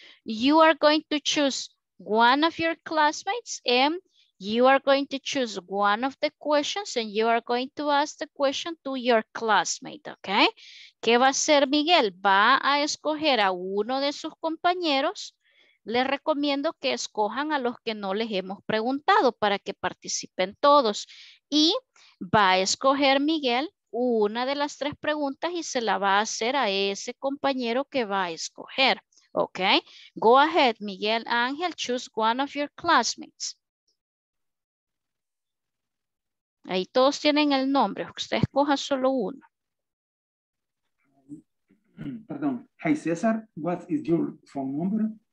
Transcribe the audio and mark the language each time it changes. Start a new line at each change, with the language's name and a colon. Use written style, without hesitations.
English: You are going to choose one of your classmates and you are going to choose one of the questions and you are going to ask the question to your classmate, okay?
Spanish: ¿Qué va a hacer Miguel? Va a escoger a uno de sus compañeros. Les recomiendo que escojan a los que no les hemos preguntado para que participen todos. Y va a escoger Miguel una de las tres preguntas y se la va a hacer a ese compañero que va a escoger.
English: Ok, go ahead, Miguel Ángel, choose one of your classmates.
Spanish: Ahí todos tienen el nombre, usted escoja solo uno.
English: Perdón, hey César, what is your phone number?